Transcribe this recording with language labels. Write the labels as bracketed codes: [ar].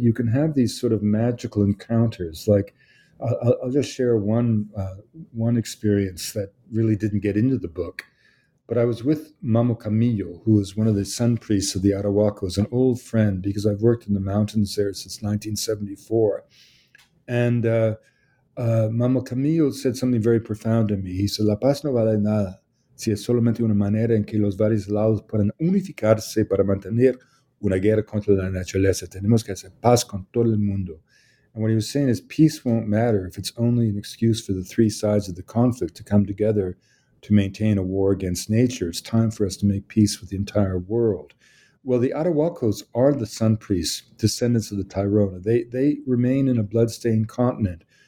[en] You can have these sort of magical encounters. Like, I'll just share one experience that really didn't get into the book. But I was with Mamo Camillo, who is one of the sun priests of the Arawakos, an old friend, because I've worked in the mountains there since 1974. And Mamo Camillo said something very profound to me. He said, [es] "La paz no vale nada si es solamente una manera en que los varios lados pueden unificarse para mantener una guerra contra la naturaleza. Tenemos que hacer paz con todo el mundo." [en] And what he was saying is peace won't matter if it's only an excuse for the three sides of the conflict to come together to maintain a war against nature. It's time for us to make peace with the entire world. Well, the Arawakos are the sun priests, descendants of the Tairona. They remain in a bloodstained continent.